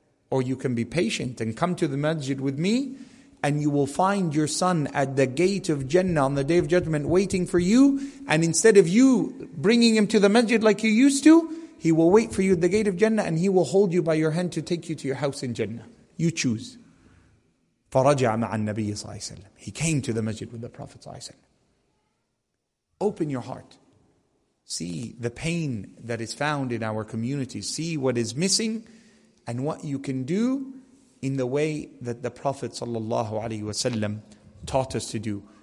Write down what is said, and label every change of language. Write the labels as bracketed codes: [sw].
[en] Or you can be patient and come to the masjid with me and you will find your son at the gate of Jannah on the Day of Judgment waiting for you, and instead of you bringing him to the masjid like you used to, he will wait for you at the gate of Jannah and he will hold you by your hand to take you to your house in Jannah. You choose. [ar] فَرَجَعَ مَعَ النَّبِيِّ صَلَّى اللَّهُ عَلَيْهِ وَسَلَّمَ. [en] He came to the masjid with the Prophet [ar] صلى الله عليه وسلم. [en] Open your heart. See the pain that is found in our community. See what is missing and what you can do in the way that the Prophet ﷺ taught us to do.